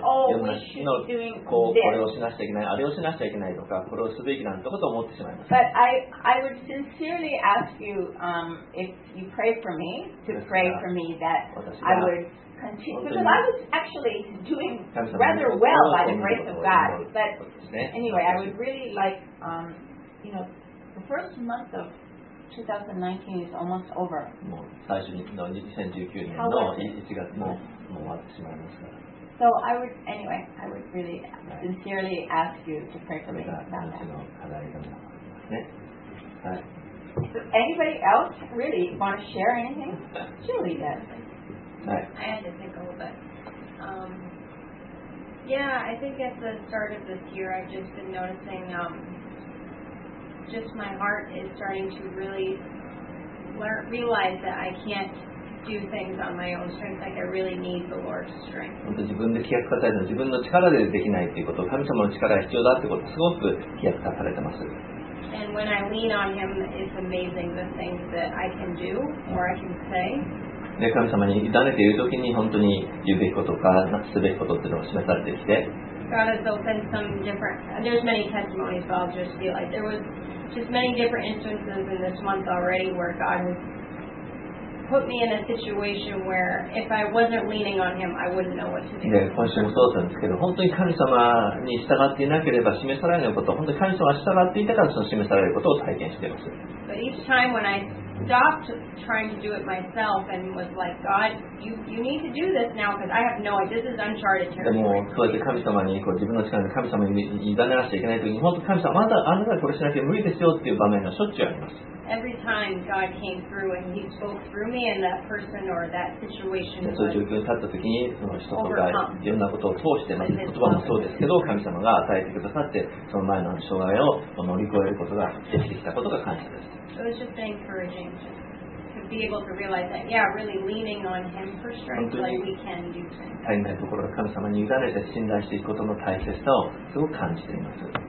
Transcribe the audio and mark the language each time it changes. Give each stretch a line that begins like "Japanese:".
English: oh, But I would sincerely ask you, if you pray for me, to pray for me that I would continue. Because I was actually doing rather well by the grace of God. But anyway, I would really like, you know, the first month of 2019 is almost over.
Japanese: もう最初の2019年の1月も終わってしまいますから。
English: So I would, anyway, I would really sincerely ask you to pray for me about that. So anybody else really want to share anything? Surely does. I had to think a little bit. Yeah, I think at the start of this year, I've just been noticing just my heart is starting to really realize that I can't do things on my own strength. Like I really need the Lord's strength.
Japanese: 本当自分で気づかされた自分の力でできないっていうこと、神様の力が必要だってことすごく気づかされてます。
English: And when I lean on Him, it's amazing the things that I can do or I can say.
Japanese: で神様に委ねているときに本当に言うべきことかすべきことっていうのを示されてきて。
English: God has opened some different. There's many testimonies, but I'll just feel like there was just many different instances in this month already where God has put me in a situation where if I wasn't leaning on Him, I wouldn't know what to do.
Japanese: で今週もそうなんですけど、本当に神様に従っていなければ示されないこと、本当に神様が従っていたからその示されることを体験しています。
English: But each time when I stopped trying to do it myself and was like, God, you need to do this now because I have no idea. This is uncharted territory.
Japanese: でも、神様にこう自分の力で神様に委ねなくちゃいけないときに、本当に神様、あなたがこれしなきゃ無理ですよっていう場面がしょっちゅうあります。
English: Every time God came through and He spoke through me and that person or that situation was overcome.
Japanese: 状況に立ったときに、その人とかいろんなことを通して、言葉もそうですけど、神様が与えてくださって、その前の障害を乗り越えることができてきたことが感謝です。
English: So it's just encouraging to be able to realize that, yeah, really leaning on Him for strength, like we can do things.
Japanese: 足りないところを神様に委ねて信頼していくことの大切さをすごく感じています。